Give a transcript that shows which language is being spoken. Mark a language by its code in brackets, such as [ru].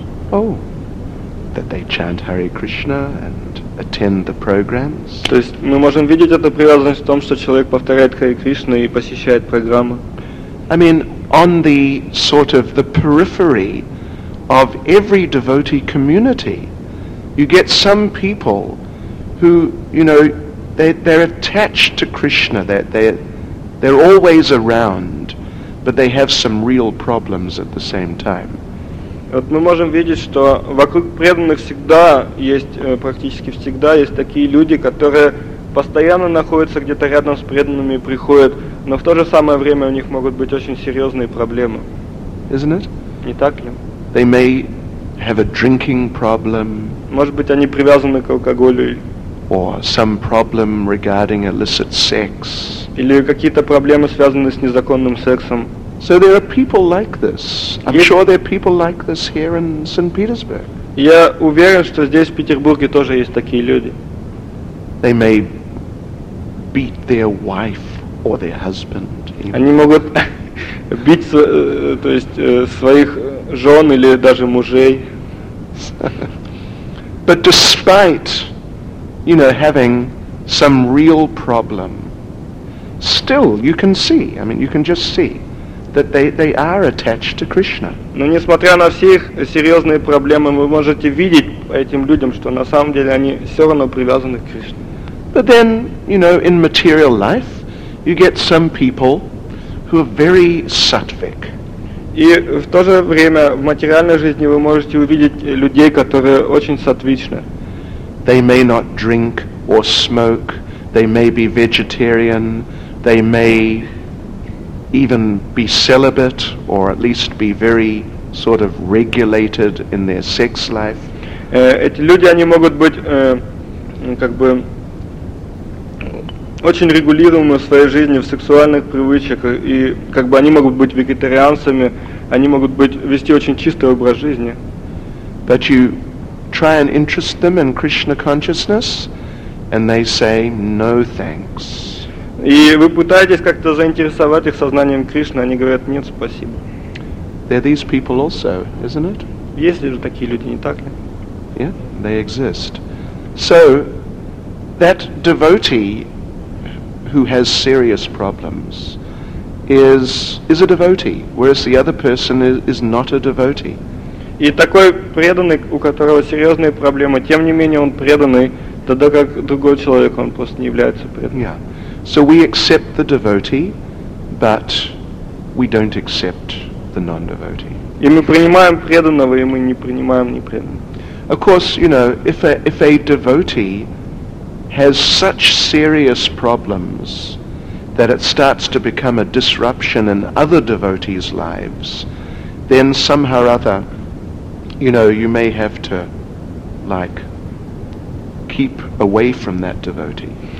[en] Oh, that they chant Hare Krishna and attend the programs. [ru] То есть мы можем видеть эту привязанность в том, что человек повторяет Харе Кришну и посещает программы. [en] I mean, on the sort of the periphery of every devotee community, you get some people who, you know, they're attached to Krishna, that they're always around, but they have some real problems at the same time. [ru] Вот мы можем видеть, что вокруг преданных всегда есть, практически всегда есть такие люди, которые постоянно находятся где-то рядом с преданными и приходят, но в то же самое время у них могут быть очень серьезные проблемы. [en] Isn't it? [ru] Не так ли? [en] They may have a drinking problem. [ru] Может быть, они привязаны к алкоголю. [en] Or some problem regarding illicit sex. [ru] Или какие-то проблемы, связанные с незаконным сексом. [en] So there are people like this. I'm sure there are people like this here in St. Petersburg. [ru] Я уверен, что здесь, в Петербурге, тоже есть такие люди. [en] They may beat their wife or their husband. [ru] Они могут бить, то есть, своих жен или даже мужей. [en] But despite, you know, having some real problem, still you can see, I mean, you can just see that they are attached to Krishna. [ru] Но несмотря на все их серьезные проблемы, вы можете видеть этим людям, что на самом деле они все равно привязаны к Кришне. [en] But then, you know, in material life, you get some people who are very sattvic. [ru] И в то же время в материальной жизни вы можете увидеть людей, которые очень сатвичны. [en] They may not drink or smoke. They may be vegetarian. They may even be celibate, or at least be very sort of regulated in their sex life. [ru] Эти люди, они могут быть как бы очень регулируемы в своей жизни, в сексуальных привычках, и как бы они могут быть вегетарианцами, они могут быть вести очень чистый образ жизни. [en] But you try and interest them in Krishna consciousness, and they say no thanks. [ru] И вы пытаетесь как-то заинтересовать их сознанием Кришны, они говорят: нет, спасибо. [en] There are these people also, isn't it? [ru] Есть ли же такие люди, не так ли? [en] Yeah, they exist. So that devotee who has serious problems is a devotee, whereas the other person is not a devotee. [ru] И такой преданный, у которого серьезные проблемы, тем не менее он преданный, тогда как другой человек, он просто не является преданным. [en] Yeah. So we accept the devotee, but we don't accept the non-devotee. [ru] И мы принимаем преданного, и мы не принимаем непреданного. [en] Of course, you know, if a devotee has such serious problems that it starts to become a disruption in other devotees' lives, then somehow or other, you know, you may have to, like, keep away from that devotee.